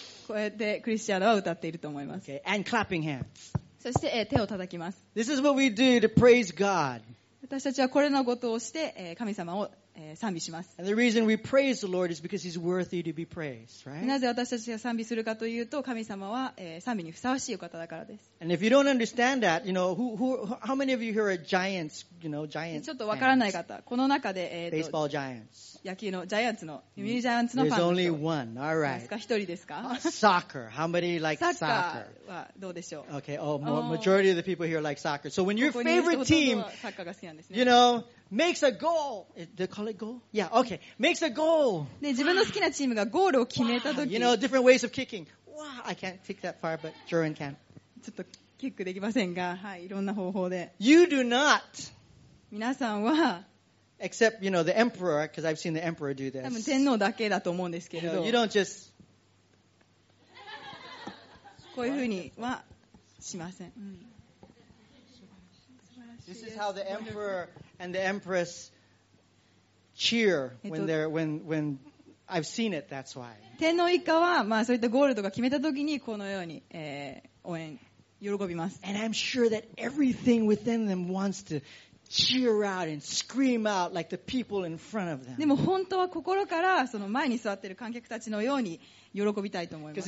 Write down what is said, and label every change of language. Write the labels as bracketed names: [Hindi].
[Japanese] こうやってクリスチャンは歌っていると思います。 [English] Okay. And clapping hands. [Japanese] そして、手を叩きます。 [English] This is what we do to praise God. [Japanese] 私たちはこれのことをして神様を賛美します。 [English] And the reason we praise the Lord is because He's worthy to be praised, right? [Japanese] なぜ私たちが賛美するかというと、神様は賛美にふさわしいお方だからです。 [English] And if you don't understand that, you know, how many of you here are giants, you know, giants? [Japanese] ちょっとわからない方、この中で、 [English] baseball giants. [Japanese] 野球のジャイアンツの、読売ジャイアンツのファン。 [English] There's only one, all right. [Japanese] ですか、一人ですか [English] Soccer. How many like soccer? [Japanese] サッカーはどうでしょう [English] Okay, majority of the people here like soccer. So when your favorite team, [Japanese] サッカーが好きなんですね。 [English] You know,Makes a goal. They call it goal? Yeah, okay. Makes a goal. [Japanese] で、自分の好きなチームがゴールを決めたとき。 [English] You know, different ways of kicking. Wow, I can't kick that far, but Jordan can. [Japanese] ちょっとキックできませんが、はい、いろんな方法で。 [English] You do not. [Japanese] 皆さんは。 [English] Except, you know, the emperor, because I've seen the emperor do this. [Japanese] 多分天皇だけだと思うんですけれど。 [English] You don't just... [Japanese] こういうふうにはしません。うん、 [English] This is how the emperor and the empress cheer when they're, when I've seen it, that's why. [Japanese] 天皇一家は、まあそういったゴールとか決めたときに、このように、応援、喜びます。 [English] And I'm sure that everything within them wants to cheer out and scream out like the people in front of them. [Japanese] でも本当は心からその前に座っている観客たちのように喜びたいと思います。